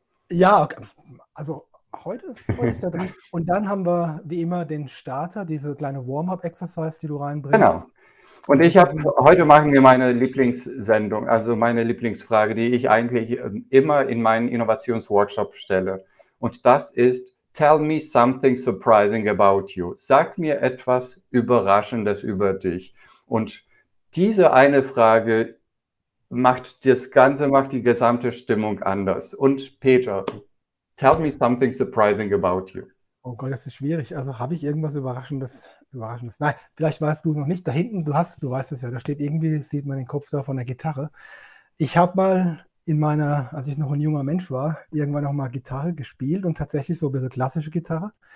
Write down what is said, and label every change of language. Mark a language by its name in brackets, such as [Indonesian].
[German] Ja, okay. Also heute ist der dran. Und dann haben wir wie immer den Starter, diese kleine Warm-up-Exercise, die du reinbringst. Genau. Und Und ich dann habe, gehen wir. heute machen wir meine Lieblingssendung, also meine Lieblingsfrage, die ich eigentlich immer in meinen Innovationsworkshop stelle. Und das ist: [English] Tell me something surprising about you. [German] Sag mir etwas Überraschendes über dich. Und diese eine Frage macht die gesamte Stimmung anders. [English] Und Peter, tell me something surprising about you. [German] Oh Gott, das ist schwierig. Also habe ich irgendwas Überraschendes? Nein, vielleicht weißt du es noch nicht. Da hinten, du weißt es ja, da steht irgendwie, sieht man den Kopf da von der Gitarre. Ich habe mal als ich noch ein junger Mensch war, irgendwann auch mal Gitarre gespielt und tatsächlich so ein bisschen klassische Gitarre.